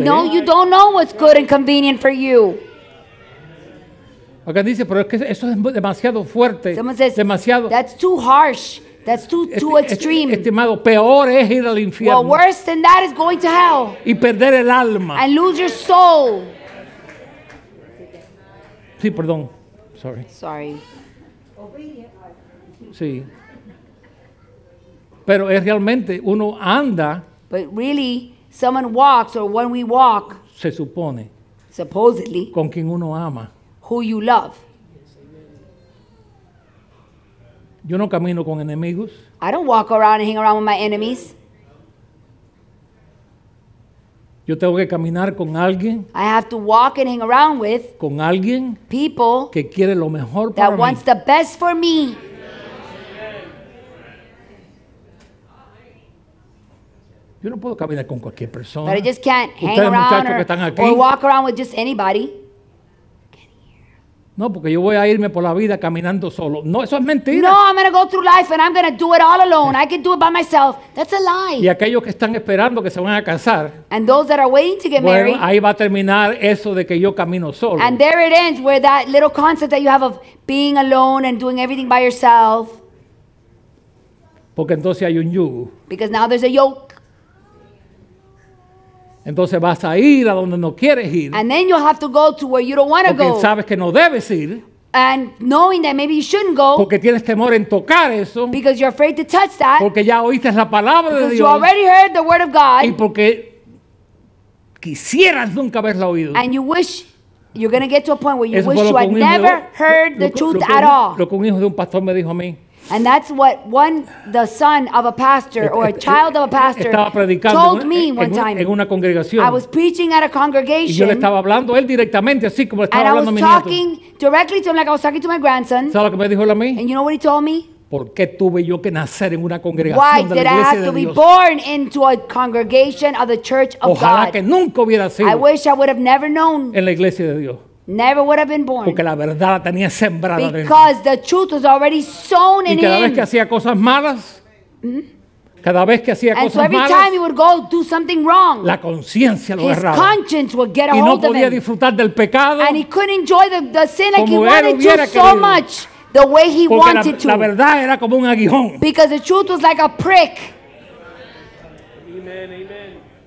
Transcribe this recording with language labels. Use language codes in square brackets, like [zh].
[en] No, you don't know what's good and convenient for you. [es] Alguien dice, pero es que eso es demasiado fuerte. [en] Someone says, [es] demasiado. [en] That's too harsh. That's too extreme. [es] Estimado, peor es ir al infierno. [en] Well, worse than that is going to hell. [es] Y perder el alma. [en] And lose your soul. [es] Sí, perdón. Sorry. [en] Sorry. [es] Sí. Pero es realmente uno anda. [en] But really, someone walks, or when we walk, [es] se supone, [en] supposedly, [es] con quien uno ama, [en] who you love. [es] Yo no camino con enemigos. [en] I don't walk around and hang around with my enemies. [es] Yo tengo que caminar con alguien. [en] I have to walk and hang around with [es] con alguien [en] people [es] que quiere lo mejor [en] that [es] para [en] wants [es] mí. [en] The best for me. [es] Yo no puedo caminar con cualquier persona. [en] But I just can't hang around or walk around with just anybody. [es] No, porque yo voy a irme por la vida caminando solo. No, eso es mentira. [en] No, I'm going to go through life and I'm going to do it all alone. I can do it by myself. That's a lie. [es] Y aquellos que están esperando que se van a casar. [en] And those that are waiting to get married. [es] Bueno, ahí va a terminar eso de que yo camino solo. [en] And there it ends where that little concept that you have of being alone and doing everything by yourself. [es] Porque entonces hay un yugo. [en] Because now there's a yoke. [es] Entonces vas a ir a donde no quieres ir. [en] And then you'll have to go to where you don't want to go. [es] Porque sabes que no debes ir. [en] And knowing that maybe you shouldn't go. [es] Porque tienes temor en tocar eso. [en] Because you're afraid to touch that. [es] Porque ya oíste la palabra de Dios. [en] Because you already heard the word of God. [es] Y porque quisieras nunca haberla oído. [en] And you wish, you're going to get to a point where you wish you had never heard the truth at all. [es] Lo que un hijo de un pastor me dijo a mí. [en] And that's what one, the son of a pastor or a child of a pastor told me one time. [es] En una congregación. [en] I was preaching at a congregation. [es] Y yo le estaba hablando él directamente, así como estaba hablando mi nieto. [en] And I was talking directly to him like I was talking to my grandson. [es] ¿Sabes lo que me dijo él a mí? [en] And you know what he told me? [es] ¿Por qué tuve yo que nacer en una congregación de la Iglesia de Dios? [en] Why did I have to be born into a congregation of the church of [es] Ojalá Ojalá que nunca hubiera sido. [en] I wish I would have never known. [es] En la Iglesia de Dios. [en] Never would have been born. [es] Porque la verdad la tenía sembrada dentro. [en] Because the truth was already sown in him. [es] Y cada vez que hacía cosas malas, cada vez que hacía cosas malas, [en] and so every time he would go do something wrong, [es] la conciencia lo agarraba. [en] His conscience would get a hold of him. [es] Y no podía disfrutar del pecado. [en] And he couldn't enjoy the sin like he wanted to so much the way he wanted to. [es] Porque la verdad era como un aguijón. [en] Because the truth was like a prick. Amen, amen.